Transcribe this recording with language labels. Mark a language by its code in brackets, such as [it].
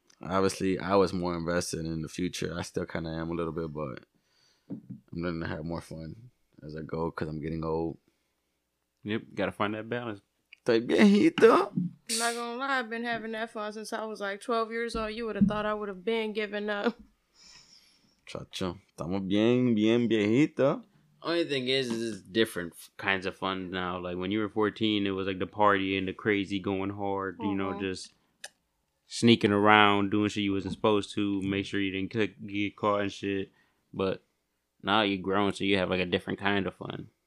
[en] Obviously, I was more invested in the future. I still kind of am a little bit, but I'm learning to have more fun as I go because I'm getting old. Yep, got to find that balance. [es] Estoy viejito. [en] I'm not gonna lie, I've been having that fun since I was like 12 years old. You would have thought I would have been giving up. [es] Chacho, estamos bien, bien viejito. [en] Only thing is it's different kinds of fun now. Like when you were 14, it was like the party and the crazy going hard, you know, just sneaking around, doing shit you wasn't supposed to, make sure you didn't get caught and shit. But now you're grown, so you have like a different kind of fun.